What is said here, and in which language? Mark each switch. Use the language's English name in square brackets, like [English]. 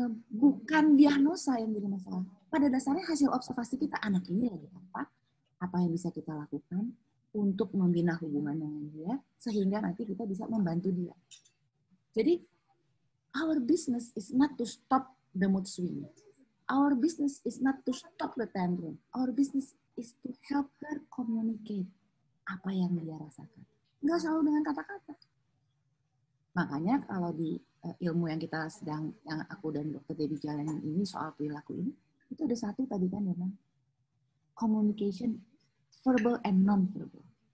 [Indonesian] Bukan diagnosa yang jadi masalah. Pada dasarnya hasil observasi kita, anak ini lagi apa yang bisa kita lakukan untuk membina hubungan dengan dia, sehingga nanti kita bisa membantu dia. [English] Jadi, our business is not to stop the mood swing. Our business is not to stop the tantrum. Our business is to help her communicate apa yang dia rasakan. [Indonesian] Nggak selalu dengan kata-kata. Makanya kalau di ilmu yang kita sedang, yang aku dan Dr. Dedy jalanin ini soal perilaku ini, itu ada satu tadi kan, memang communication verbal and non-verbal.